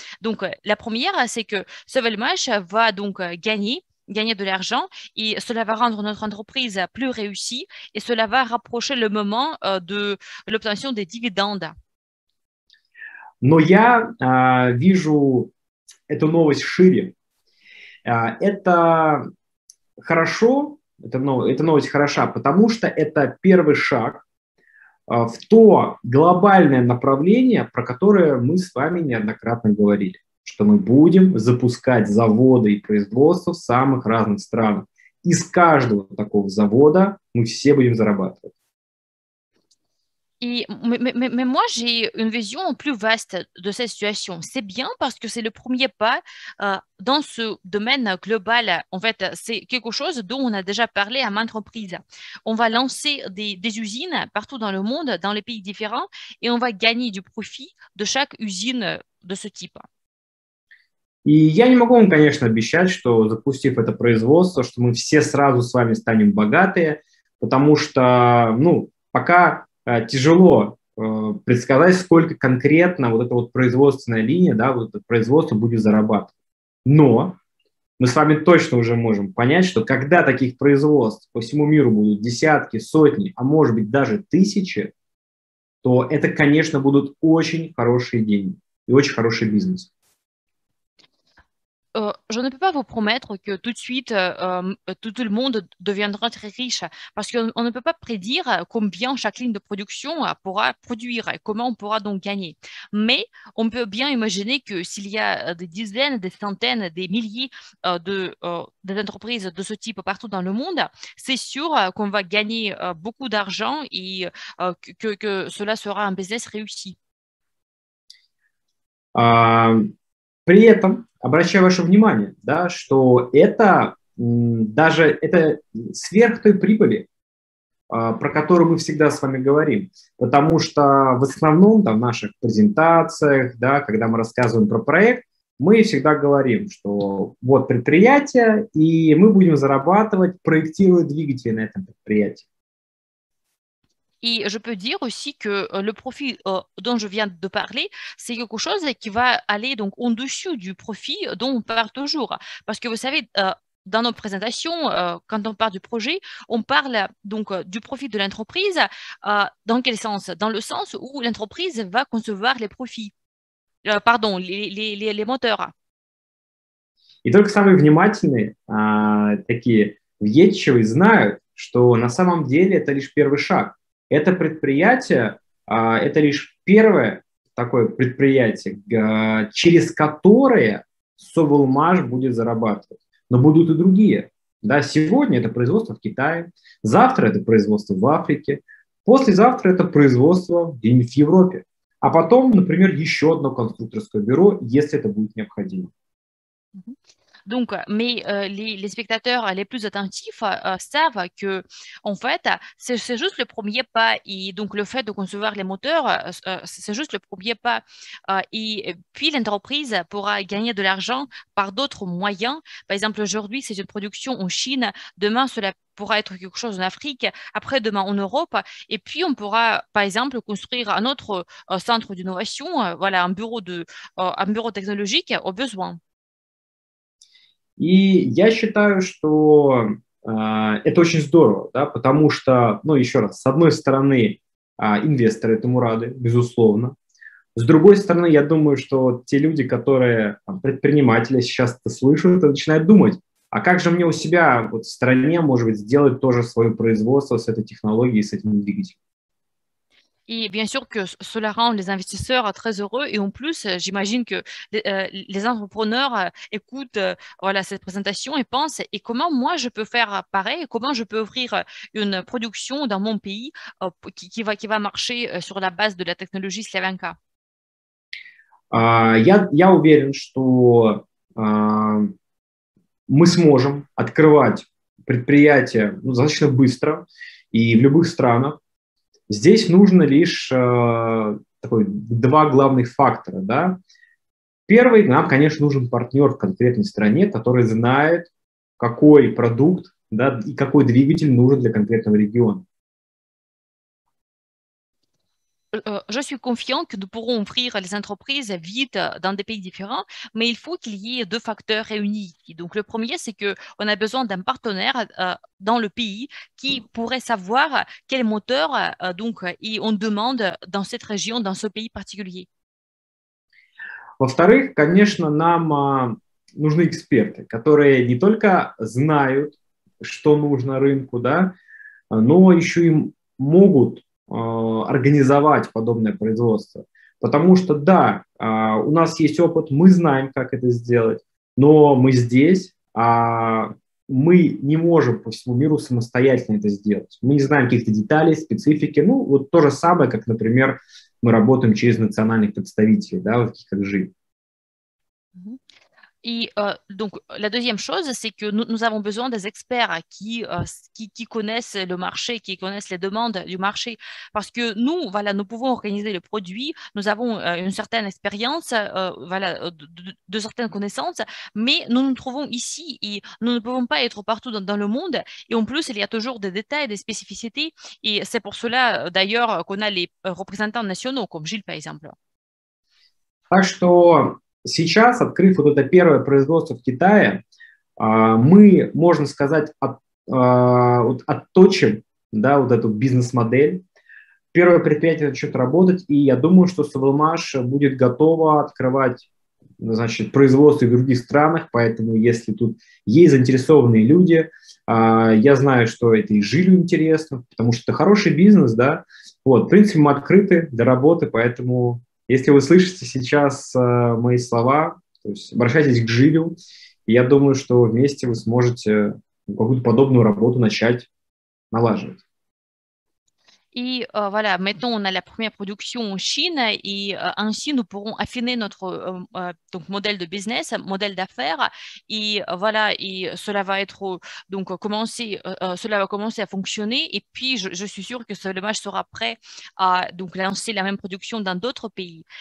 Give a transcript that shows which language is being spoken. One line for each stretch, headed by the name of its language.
French: Donc, la première, c'est que Sovelmash va donc gagner de l'argent et cela va rendre notre entreprise plus réussie et cela va rapprocher le moment de l'obtention des dividendes.
Russian: Но я вижу эту новость шире. Это хорошо. Эта новость хороша, потому что это первый шаг в то глобальное направление, про которое мы с вами неоднократно говорили, что мы будем запускать заводы и производство в самых разных странах. Из каждого такого завода мы все будем зарабатывать.
French: Et, mais moi, j'ai une vision plus vaste de cette situation. C'est bien parce que c'est le premier pas dans ce domaine global. En fait, c'est quelque chose dont on a déjà parlé à maintes reprises. On va lancer des usines partout dans le monde, dans les pays différents, et on va gagner du profit de chaque usine de ce type.
Russian: И я не могу вам, конечно, обещать, что запустив это производство, что мы все сразу с вами станем богатые, потому что, ну, пока тяжело предсказать, сколько конкретно вот эта вот производственная линия, да, вот это производство будет зарабатывать. Но мы с вами точно уже можем понять, что когда таких производств по всему миру будут десятки, сотни, а может быть даже тысячи, то это, конечно, будут очень хорошие деньги и очень хороший бизнес.
French: Je ne peux pas vous promettre que tout de suite, tout le monde deviendra très riche, parce qu'on ne peut pas prédire combien chaque ligne de production pourra produire et comment on pourra donc gagner. Mais on peut bien imaginer que s'il y a des dizaines, des centaines, des milliers d'entreprises de ce type partout dans le monde, c'est sûr qu'on va gagner beaucoup d'argent et que cela sera un business réussi.
Russian: При этом обращаю ваше внимание, да, что это даже это сверх той прибыли, про которую мы всегда с вами говорим. Потому что в основном там, в наших презентациях, да, когда мы рассказываем про проект, мы всегда говорим, что вот предприятие, и мы будем зарабатывать, проектируя двигатели на этом предприятии.
French: Et je peux dire aussi que le profit dont je viens de parler, c'est quelque chose qui va aller donc en dessous du profit dont on parle toujours. Parce que vous savez, dans nos présentations, quand on parle du projet, on parle donc du profit de l'entreprise. Dans quel sens? Dans le sens où l'entreprise va concevoir les profits, pardon, les moteurs. Et donc, les plus
Russian: внимательные, такие въедчивые, знают, что на самом деле это лишь первый шаг. Это предприятие, это лишь первое такое предприятие, через которое Совелмаш будет зарабатывать. Но будут и другие. Да, сегодня это производство в Китае, завтра это производство в Африке, послезавтра это производство где-нибудь в Европе. А потом, например, еще одно конструкторское бюро, если это будет необходимо.
French: Donc, mais les spectateurs les plus attentifs savent que, en fait, c'est juste le premier pas. Et donc, le fait de concevoir les moteurs, c'est juste le premier pas. Et puis, l'entreprise pourra gagner de l'argent par d'autres moyens. Par exemple, aujourd'hui, c'est une production en Chine. Demain, cela pourra être quelque chose en Afrique. Après-demain, en Europe. Et puis, on pourra, par exemple, construire un autre centre d'innovation, voilà, un bureau technologique au besoin.
Russian: И я считаю, что это очень здорово, да, потому что, ну, еще раз, с одной стороны, инвесторы этому рады, безусловно. С другой стороны, я думаю, что те люди, которые там, предприниматели сейчас это слышат, начинают думать, а как же мне у себя вот, в стране, может быть, сделать тоже свое производство с этой технологией, с этим двигателем?
French: Et bien sûr que cela rend les investisseurs très heureux. Et en plus, j'imagine que les entrepreneurs écoutent voilà, cette présentation et pensent « Et comment moi je peux faire pareil? Comment je peux ouvrir une production dans mon pays qui va marcher sur la base de la technologie Slavenka ?»
Russian: Я уверен, что мы сможем открывать предприятия ну, достаточно быстро и в любых странах. Здесь нужно лишь такой, два главных фактора. Да? Первый, нам, конечно, нужен партнер в конкретной стране, который знает, какой продукт да, и какой двигатель нужен для конкретного региона.
French: Je suis confiant que nous pourrons ouvrir les entreprises vite dans des pays différents, mais il faut qu'il y ait deux facteurs réunis. Et donc, le premier, c'est qu'on a besoin d'un partenaire dans le pays qui pourrait savoir quel moteur donc, et on demande dans cette région, dans ce pays particulier.
Russian: Во-вторых, конечно, нам нужны эксперты, которые не только знают, что нужно рынку, да, но еще и могут организовать подобное производство. Потому что, да, у нас есть опыт, мы знаем, как это сделать, но мы здесь, а мы не можем по всему миру самостоятельно это сделать. Мы не знаем каких-то деталей, специфики. Ну, вот то же самое, как, например, мы работаем через национальных представителей, да, вот таких как ЖИ.
French: Et donc, la deuxième chose, c'est que nous avons besoin des experts qui connaissent le marché, qui connaissent les demandes du marché. Parce que nous, voilà, nous pouvons organiser le produit, nous avons une certaine expérience, voilà, de certaines connaissances, mais nous nous trouvons ici et nous ne pouvons pas être partout dans le monde. Et en plus, il y a toujours des détails, des spécificités. Et c'est pour cela, d'ailleurs, qu'on a les représentants nationaux, comme Gilles, par exemple.
Russian: Так что... Сейчас, открыв вот это первое производство в Китае, мы, можно сказать, отточим да, вот эту бизнес-модель. Первое предприятие начнет работать, и я думаю, что Совелмаш будет готово открывать значит, производстве в других странах, поэтому если тут есть заинтересованные люди, я знаю, что это и жилью интересно, потому что это хороший бизнес, да, вот, в принципе, мы открыты для работы, поэтому если вы слышите сейчас мои слова, то есть обращайтесь к жилью, и я думаю, что вместе вы сможете какую-то подобную работу начать налаживать.
French: Et voilà, maintenant on a la première production en Chine et ainsi nous pourrons affiner notre donc modèle de business, modèle d'affaires et voilà et cela va être donc commencé, cela va commencer à fonctionner et puis je suis sûre que ce match sera prêt à donc lancer la même production dans d'autres pays.